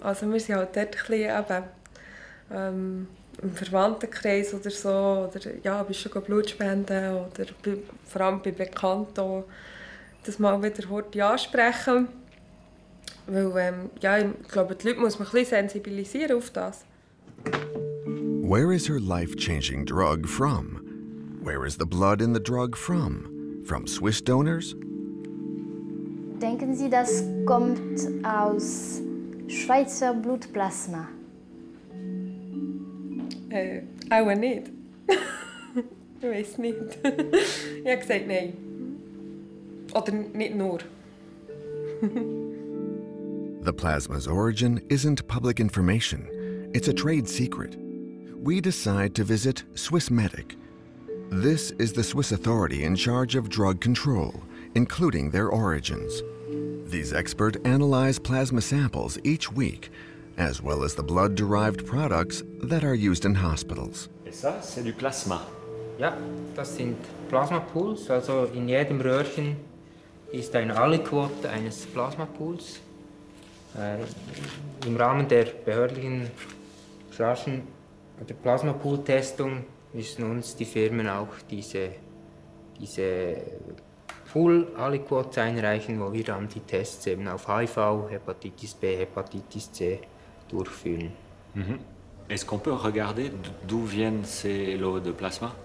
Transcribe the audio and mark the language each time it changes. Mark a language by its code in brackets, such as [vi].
[de] Also wir sind halt dort ein bisschen eben, im Verwandtenkreis oder so. Oder ja, bist du schon Blutspenden oder vor allem bei Bekannten. Das mal wieder heute ansprechen. Weil, ja, ich glaube, die Leute muss man ein bisschen sensibilisieren auf das. [en] Where is her life-changing drug from? Where is the blood in the drug from? From Swiss donors? [de] Denken Sie, das kommt aus Schweizer Blutplasma? Auch nicht. Ich weiß nicht. Ich habe gesagt, nein. Oder nicht nur. [en] The plasma's origin isn't public information. It's a trade secret. We decide to visit Swissmedic. This is the Swiss authority in charge of drug control, including their origins. These experts analyze plasma samples each week, as well as the blood-derived products that are used in hospitals. [fr] Et ça, c'est du plasma. [de] Ja, das sind Plasmapools. Also in jedem Röhrchen ist ein Aliquot eines Plasmapools. Im Rahmen der behördlichen Chargen der Plasmapool-Testung müssen uns die Firmen auch diese Pool-Aliquots einreichen, wo wir dann die Tests eben auf HIV, Hepatitis B, Hepatitis C durchführen. Mhm. [fr] Est-ce qu'on peut regarder d'où viennent ces lots de plasma?